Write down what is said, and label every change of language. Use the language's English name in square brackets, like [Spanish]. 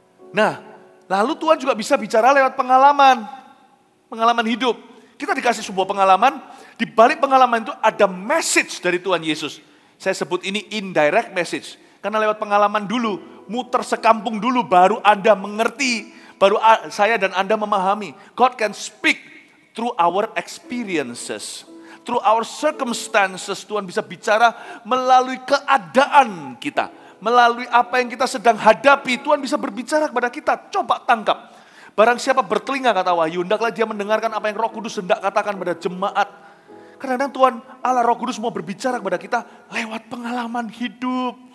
[Indonesian] Nah, lalu Tuhan juga bisa bicara lewat pengalaman. Pengalaman hidup. Kita dikasih sebuah pengalaman, di balik pengalaman itu ada message dari Tuhan Yesus. Saya sebut ini [English] indirect message. [Indonesian] Karena lewat pengalaman dulu, muter sekampung dulu, baru Anda mengerti. Baru saya dan Anda memahami. [English] God can speak through our experiences. Through our circumstances. [Indonesian] Tuhan bisa bicara melalui keadaan kita. Melalui apa yang kita sedang hadapi. Tuhan bisa berbicara kepada kita. Coba tangkap. Barang siapa bertelinga, kata Wahyu, hendaklah dia mendengarkan apa yang Roh Kudus hendak katakan pada jemaat. Kadang-kadang Tuhan Allah Roh Kudus mau berbicara kepada kita lewat pengalaman hidup.